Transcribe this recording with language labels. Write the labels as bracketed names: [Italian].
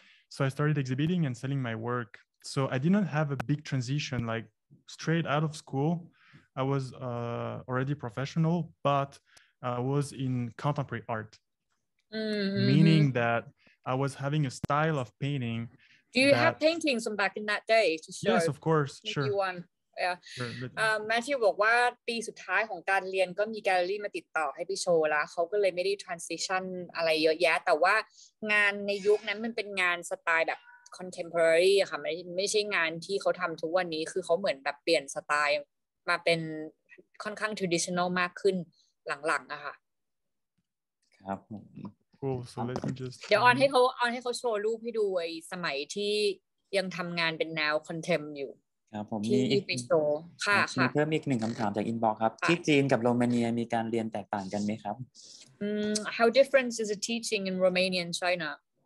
[English] So I started exhibiting and selling my work. So I did not have a big transition, like straight out of school. I was already professional, but I was in contemporary art, meaning that I was having a style of painting. Do you have paintings from back in that day? Yes, of course. Maybe sure. One. Yeah. [Thai] Matthew บอกว่าปีสุดท้ายของการเรียนก็มีแกลเลอรี่มาติดต่อให้ไปโชว์แล้วเขาก็เลยไม่ได้ transition อะไรเยอะแยะแต่ว่างานในยุคนั้นมันเป็นงานสไตล์แบบcontemporary ค่ะไม่ใช่งานที่เขาทำทุกวันนี้คือเขาเหมือนแบบเปลี่ยนสไตล์มาเป็นค่อนข้าง traditional มากขึ้นหลังๆอะค่ะ ครับ [English] cool so let me just [Thai] เดี๋ยวออนให้เขาโชว์รูปให้ดูไอ้สมัยที่ยังทำงานเป็นแนวคอนเทมอยู่ครับผม มีอีกโชว์ค่ะค่ะ มีเพิ่มอีกหนึ่งคำถามจากอินบ็อกซ์ครับที่จีนกับโรมาเนียมีการเรียนแตกต่างกันไหมครับ [English] How different is the teaching in Romania and China?